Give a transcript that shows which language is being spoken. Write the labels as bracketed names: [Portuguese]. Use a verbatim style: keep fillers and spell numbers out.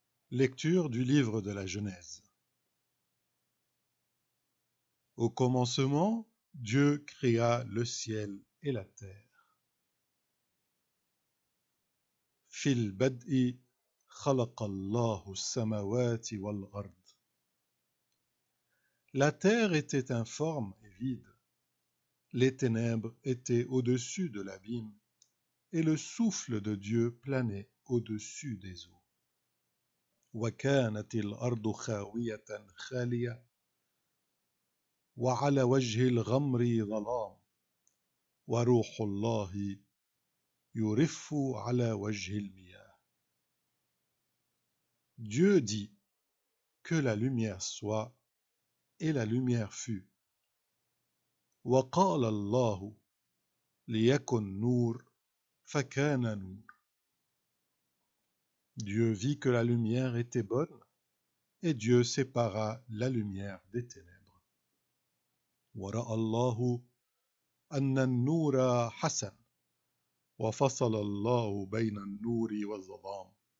[French] Lecture du livre de la Genèse. Au commencement, Dieu créa le ciel et la terre. [Arabic] في البدء خلق الله السماوات والأرض. [French] La terre était informe et vide. Les ténèbres étaient au-dessus de l'abîme, et le souffle de Dieu planait au-dessus des eaux. [Arabic] وكانت الأرض خاوية خالية وعلى وجه الغمر ظلام وروح الله يرف على وجه المياه. [French] Dieu dit que la lumière soit, et la lumière fut. [Arabic] وقال الله ليكن نور فكان نور. [French] Dieu vit que la lumière était bonne, et Dieu sépara la lumière des ténèbres. [Arabic] وَرَأَى اللَّهُ أَنَّ النُّورَ حَسَنٌ وَفَصَلَ اللَّهُ بَيْنَ النُّورِ وَالظَّلَامِ.